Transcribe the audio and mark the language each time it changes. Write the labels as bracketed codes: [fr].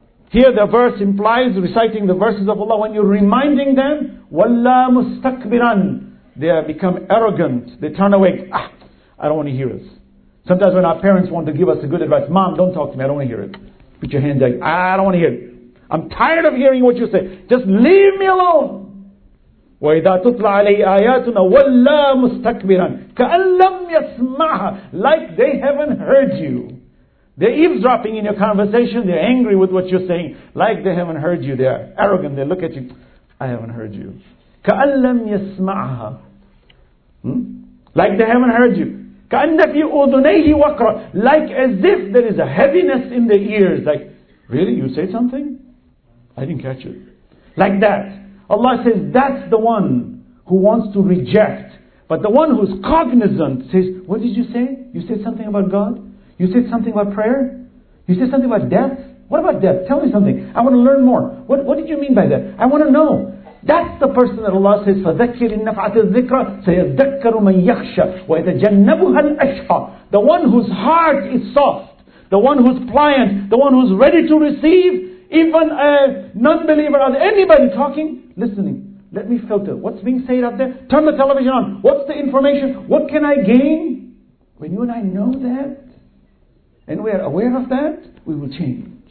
[en] Here the verse implies reciting the verses of Allah. When you're reminding them, [ar] وَلَّا مُسْتَكْبِرًا, [en] they have become arrogant. They turn away. Ah, I don't want to hear this. Sometimes when our parents want to give us a good advice, Mom, don't talk to me. I don't want to hear it. Put your hand down. I don't want to hear it. I'm tired of hearing what you say. Just leave me alone. [ar] وَإِذَا تُطْلَ عَلَيْهِ آيَاتُنَا وَلَّا مُسْتَكْبِرًا كَأَنْ لَمْ يَسْمَعَهَا, [en] like they haven't heard you. They're eavesdropping in your conversation. They're angry with what you're saying, like they haven't heard you. They're arrogant. They look at you. I haven't heard you. [ar] كَأَنْ لَمْ يَسْمَعَهَا. [en] Like they haven't heard you. [ar] كَأَنَّ فِي أُذُنَيْهِ وَقْرًا, [en] like as if there is a heaviness in their ears. Like, really? You say something? I didn't catch it. Like that. Allah says, that's the one who wants to reject. But the one who's cognizant says, what did you say? You said something about God? You said something about prayer? You said something about death? What about death? Tell me something. I want to learn more. What did you mean by that? I want to know. That's the person that Allah says, [ar] فَذَكِّرْ إِنْ نَفْعَتِ الذِّكْرَ سَيَذَّكَّرُ مَنْ يَخْشَى وَيَتَجَنَّبُهَا الْأَشْقَى. [en] The one whose heart is soft, the one who's pliant, the one who's ready to receive, even a non-believer, anybody talking, listening. Let me filter. What's being said out there? Turn the television on. What's the information? What can I gain? When you and I know that, and we are aware of that, we will change.